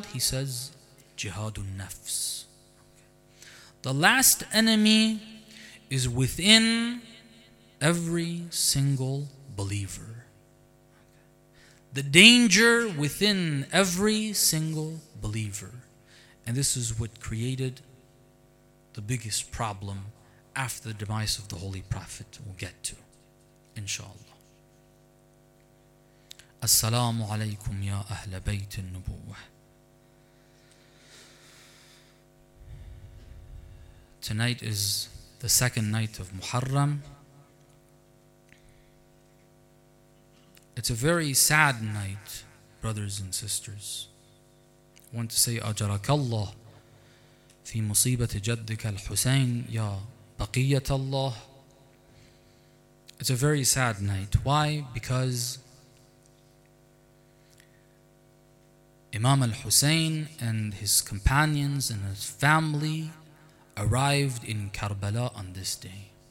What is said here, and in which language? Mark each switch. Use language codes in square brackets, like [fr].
[en] He says, Jihadun Nafs. The last enemy is within every single believer. The danger within every single believer. And this is what created the biggest problem after the demise of the Holy Prophet. We'll get to, inshallah. [ar] السلام عليكم يا أهل بيت النبوة. [en] Tonight is the second night of Muharram. It's a very sad night, brothers and sisters. I want to say [ar] أجرك الله في مصيبة جدك الحسين يا بقية الله. [en] It's a very sad night. Why? Because Imam al-Husayn and his companions and his family arrived in Karbala on this day.